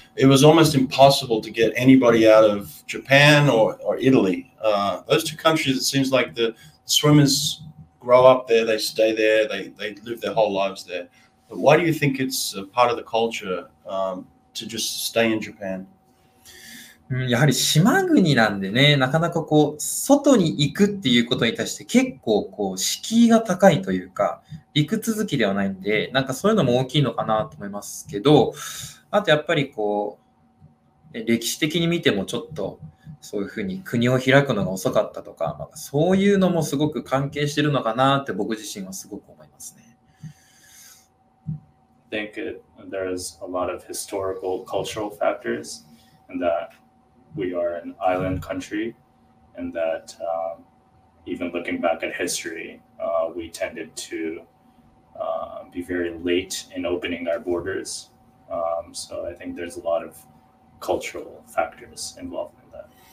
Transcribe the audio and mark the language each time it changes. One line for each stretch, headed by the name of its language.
English: It was almost impossible to get anybody out of Japan or Italy. Those two countries, it seems like the swimmers grow up there, they stay there, they live their whole lives there. But why do you think it's a part of the culture to just stay in Japan?
Japanese: やはり島国なんでね、なかなかこう外に行くっていうことに対して結構こう敷居が高いというか、陸続きではないんで、なんかそういうのも大きいのかなと思いますけど、あとやっぱりこう歴史的に見てもちょっとそういうふうに国を開くのが遅かったとか、まあ、そういうのもすごく関係してるのかなって僕自身はすごく思いますね。
English: I think there's a lot of historical cultural factors and thatWe are an island country, and that even looking back at history, we tended to be very late in opening our borders. So I think there's a lot of cultural factors involved in that.